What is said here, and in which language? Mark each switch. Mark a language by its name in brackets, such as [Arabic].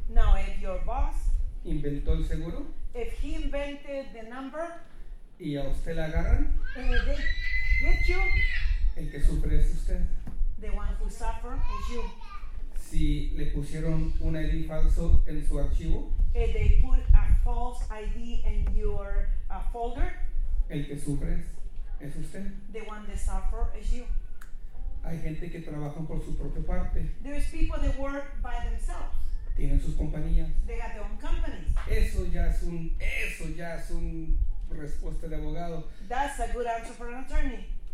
[English] Now, if your boss [Spanish] inventó el seguro, [English] if he invented the number, [Spanish] y a usted la agarran, [English] they get you, [Spanish] el que sufre es usted. [English] The one who suffer is you. [Spanish] Si le pusieron un ID falso en su archivo, [English] if they put a false ID in your folder, [Spanish] el que sufre es usted. [English] The one that suffer is you. [Spanish] Hay gente que trabaja por su propia parte. [English] There is people that work by themselves. [Spanish] Tienen sus compañías. [English] They have their own companies. [Spanish] Eso ya es un respuesta de abogado. [English] That's a good answer for an attorney.